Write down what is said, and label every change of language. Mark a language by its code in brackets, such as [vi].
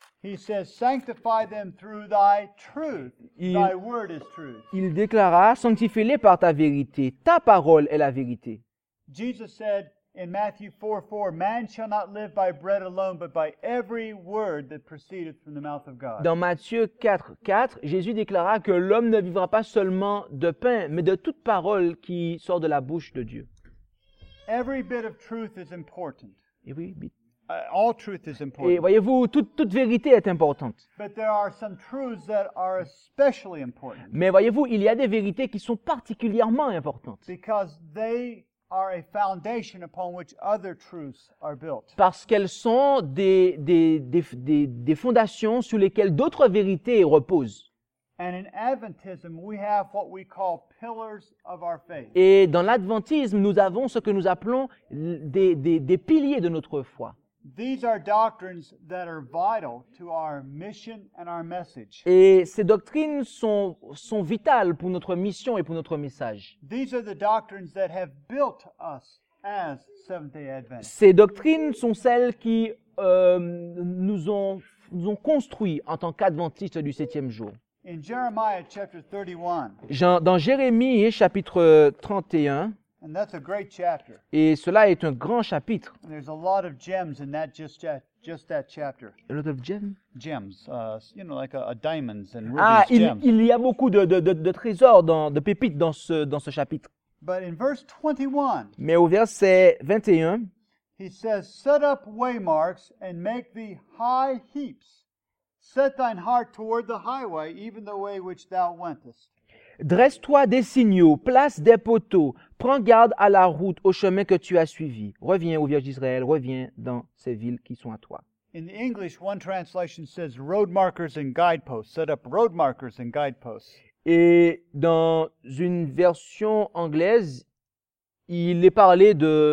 [en] he says, "Sanctify them through thy truth. Thy word is truth." [fr] Il déclara, sanctifie-les par ta vérité, ta parole est la vérité. [en] Jesus said, in Matthew 4:4, "Man shall not live by bread alone, but by every word that proceedeth from the mouth of God." [fr] Dans Matthieu 4:4, Jésus déclara que l'homme ne vivra pas seulement de pain, mais de toute parole qui sort de la bouche de Dieu. [en] Every bit of truth is important. Every bit. All truth is important. [fr] Et voyez-vous, toute vérité est importante. [en] But there are some truths that are especially important. [fr] Mais voyez-vous, il y a des vérités qui sont particulièrement importantes. [en] Because they are a foundation upon which other truths are built. [fr] Parce qu'elles sont des fondations sur lesquelles d'autres vérités reposent. [en] And in Adventism, we have what we call pillars of our faith. [fr] Et dans l'adventisme, nous avons ce que nous appelons des piliers de notre foi. [en] These are doctrines that are vital to our mission and our message. [fr] Et ces doctrines sont vitales pour notre mission et pour notre message. [en] These are the doctrines that have built us as Seventh-day Adventists. [fr] Ces doctrines sont celles qui nous ont construits en tant qu'adventistes du septième jour. [en] In Jeremiah chapter 31. [fr] Dans Jérémie chapitre 31. [en] And that's a great chapter. [fr] Et cela est un grand chapitre. [en] And there's a lot of gems in that just that chapter. A lot of gems? Gems, you know, like a diamonds and rubies. Ah, [fr] il y a beaucoup de trésors de pépites dans ce chapitre. [en] But in verse 21. [fr] Mais au verset 21. [en] He says, "Set up waymarks and make thee high heaps. Set thine heart toward the highway, even the way which thou wentest." [fr] Dresse-toi des signaux, place des poteaux, prends garde à la route, au chemin que tu as suivi. Reviens au Vierge d'Israël, reviens dans ces villes qui sont à toi. [en] In the English, one translation says road markers and guideposts. Set up road markers and guideposts. [fr] Et dans une version anglaise, il est parlé de